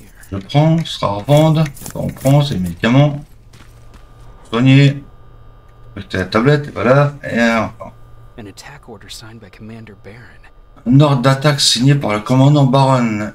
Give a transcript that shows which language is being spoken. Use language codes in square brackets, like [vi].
[fr] Je prends, ce sera à revendre. On prend ses médicaments. Soigner. C'est la tablette, voilà. [en] Et un attack order signed by Commander Baron. [fr] Un ordre d'attaque signé par le commandant Baron.